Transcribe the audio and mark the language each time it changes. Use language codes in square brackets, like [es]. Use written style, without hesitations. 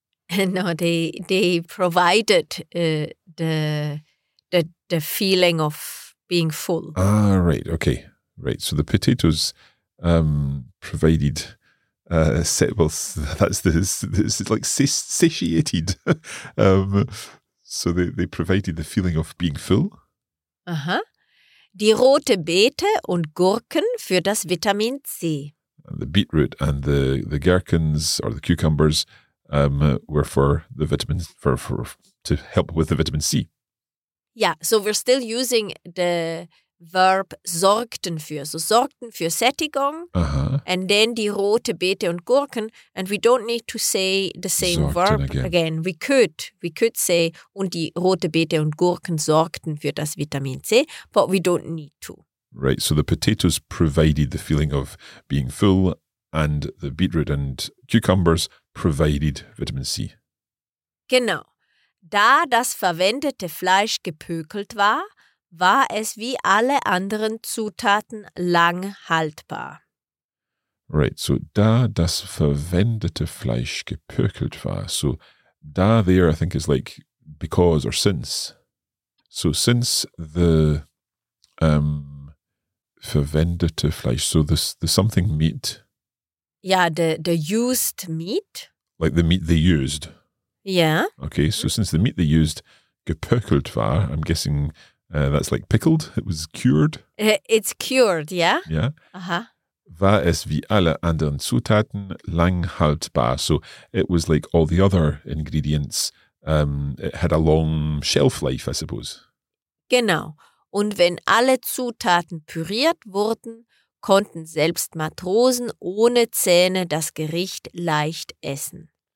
[en] No, they provided the feeling of being full. Ah, right, okay. Right, so the potatoes provided, satiated. so they provided the feeling of being full. Aha. [de] Die rote Beete und Gurken für das Vitamin C. [en] And the beetroot and the gherkins or the cucumbers were for the vitamins, to help with the vitamin C. Yeah, so we're still using the verb sorgten für. [de] So sorgten für Sättigung. Uh-huh. [en] And then [de] die rote Beete und Gurken. [en] And we don't need to say the same [de] sorgten [en] verb again. We could say [de] und die rote Beete und Gurken sorgten für das Vitamin C. [en] But we don't need to. Right, so the potatoes provided the feeling of being full and the beetroot and cucumbers provided vitamin C. [de] Genau. Da das verwendete Fleisch gepökelt war, war es wie alle anderen Zutaten lang haltbar. Right, so da das verwendete Fleisch gepökelt war. [en] So da there, I think, is like because or since. So since the [de] verwendete Fleisch, [en] so the something meat. Yeah, the used meat. Like the meat they used. Yeah. Okay, so since the meat they used [de] gepökelt war, [en] I'm guessing that's like pickled, it was cured. It's cured, yeah. Yeah. Uh-huh. [de] War es wie alle anderen Zutaten lang haltbar. [en] So it was like all the other ingredients, it had a long shelf life, I suppose. [de] Genau. Und wenn alle Zutaten püriert wurden, konnten selbst Matrosen ohne Zähne das Gericht leicht essen.